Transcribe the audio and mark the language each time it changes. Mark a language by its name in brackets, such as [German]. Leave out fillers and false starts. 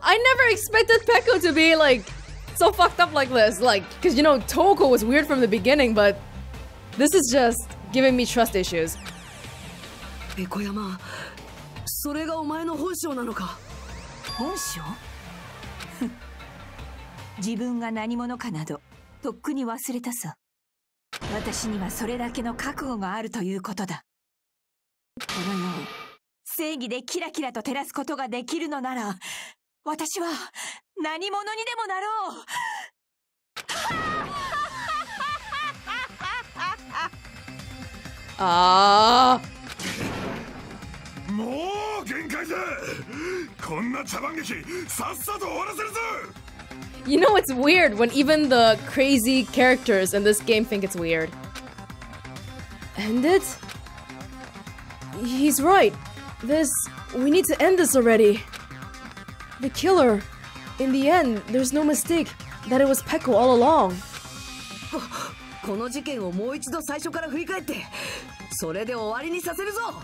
[English] I never expected Peko to be like so fucked up like this, like, cause you know Toko was weird from the beginning, but this is just giving me trust issues. [Japanese] ペコヤマ、それがお前の本性なのか。本性？自分が何者かなどとっくに忘れたさ。私にはそれだけの覚悟があるということだ。このように正義でキラキラと照らすことができるのなら、私は何者にでもなろう。ああ、もう限界だ。こんな茶番劇さっさと終わらせるぞ。 [English] You know, it's weird when even the crazy characters in this game think it's weird. End it? He's right. This... we need to end this already. The killer... in the end, there's no mistake that it was Pekko all along. [Japanese] この事件をもう一度最初から振り返って、それで終わりにさせるぞ。